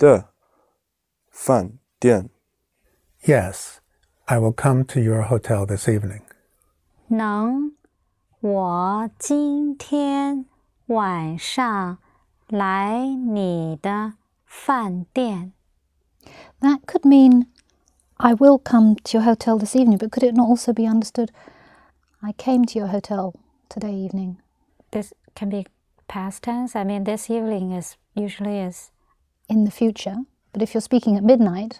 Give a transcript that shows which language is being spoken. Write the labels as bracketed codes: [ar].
[zh] 我今天晚上来你的饭店. [en] Yes. I will come to your hotel this evening. [zh] 能我今天晚上来你的饭店. [en] That could mean, I will come to your hotel this evening, but could it not also be understood, I came to your hotel today evening? This can be past tense. I mean, this evening usually is... In the future. But if you're speaking at midnight,